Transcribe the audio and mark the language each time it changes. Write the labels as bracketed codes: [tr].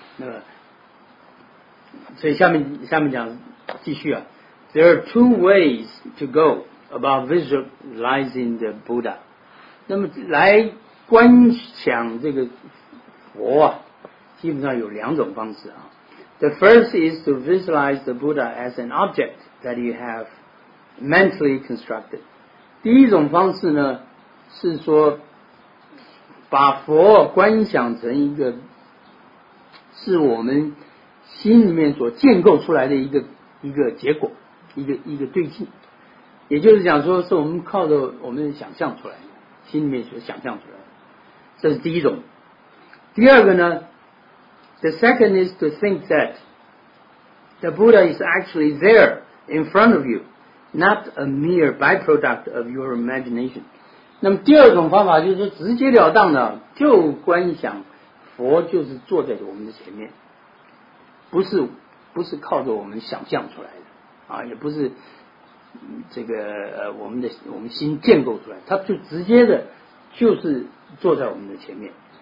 [zh] 那么所以下面讲继续啊。 [en] There are two ways to go about visualizing the Buddha. [zh] 那么来观想这个佛啊，基本上有两种方式啊。 [en] The first is to visualize the Buddha as an object that you have mentally constructed. [zh] 第一种方式呢，是说把佛观想成一个是我们心里面所建构出来的一个结果，一个对境，也就是讲说是我们靠着我们想象出来的，心里面所想象出来的，这是第一种。第二个呢， [en] The second is to think that the Buddha is actually there in front of you, not a mere byproduct of your imagination. [zh] 那么第二种方法就是直截了当的，就观想佛就是坐在我们的前面，不是靠着我们想象出来的啊，也不是这个我们心建构出来，它就直接的就是坐在我们的前面。